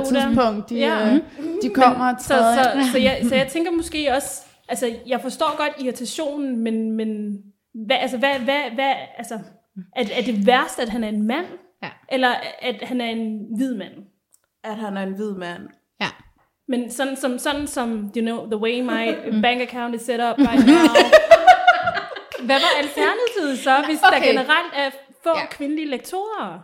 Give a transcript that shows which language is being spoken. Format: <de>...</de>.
<da>et tidspunkt, de kommer og træder. Så jeg tænker måske også, altså jeg forstår godt irritationen, men er det værst, at han er en mand? Ja. Eller at han er en hvid mand? At han er en hvid mand. Ja. Men sådan som,</da> <en>you know, the way my bank account is set up right now.</en> <da>Hvad var alternativet så, hvis der generelt er få kvindelige lektorer?</da>